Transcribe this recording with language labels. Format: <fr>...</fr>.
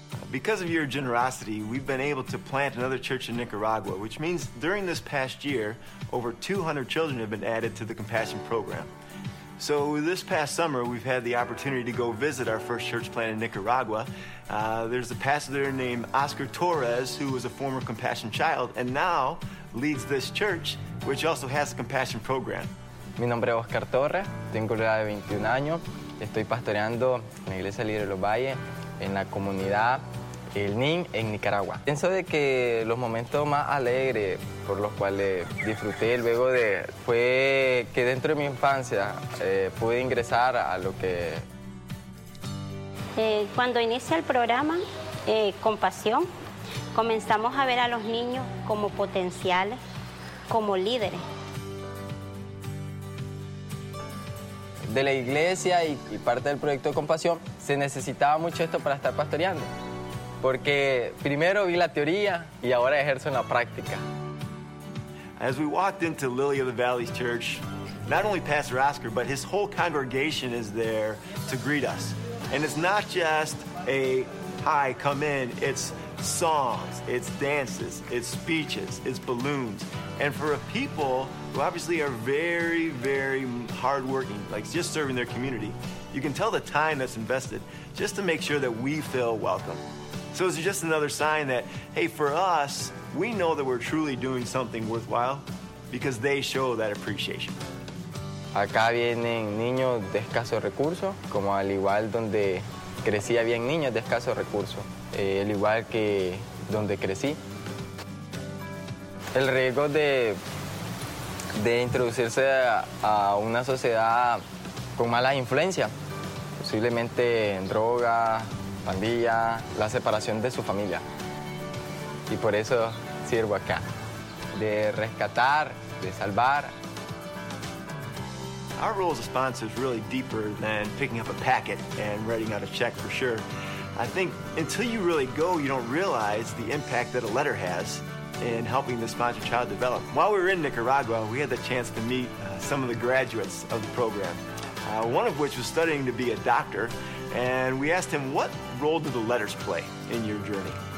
<en>Because of your generosity, we've been able to plant another church in Nicaragua, which means during this past year, over 200 children have been added to the Compassion Program. So this past summer, we've had the opportunity to go visit our first church plant in Nicaragua. There's a pastor there named Oscar Torres, who was a former Compassion Child, and now leads this church, which also has a Compassion Program.</en> <es>Mi nombre es Oscar Torres, tengo la edad de 21 años. Estoy pastoreando en la Iglesia Libre de los Valles, en la comunidad El Nin, en Nicaragua. Pienso de que los momentos más alegres por los cuales disfruté luego de... fue que dentro de mi infancia pude ingresar a lo que... Cuando inicia el programa Compasión, comenzamos a ver a los niños como potenciales, como líderes. De la iglesia y parte del proyecto de Compasión, se necesitaba mucho esto para estar pastoreando. Porque primero vi la teoría y ahora ejerzo en la práctica.</es> <en>As we walked into Lily of the Valley's church, not only Pastor Oscar, but his whole congregation is there to greet us. And it's not just a, hi, come in. It's songs, it's dances, it's speeches, it's balloons. And for a people who obviously are very, very hardworking, like just serving their community, you can tell the time that's invested just to make sure that we feel welcome. So it's just another sign that, hey, for us, we know that we're truly doing something worthwhile because they show that appreciation.</en> <es>Acá vienen niños de escasos recursos, como al igual donde crecí había niños de escasos recursos, al igual que donde crecí. El riesgo de introducirse a una sociedad con malas influencias, posiblemente en droga, pandilla, la separación de su familia. Y por eso sirvo acá, de rescatar, de salvar.</es> <en>Our role as a sponsor is really deeper than picking up a packet and writing out a check, for sure. I think until you really go, you don't realize the impact that a letter has in helping the sponsored child develop. While we were in Nicaragua, we had the chance to meet some of the graduates of the program, one of which was studying to be a doctor, and we asked him, what role do the letters play in your journey?</en>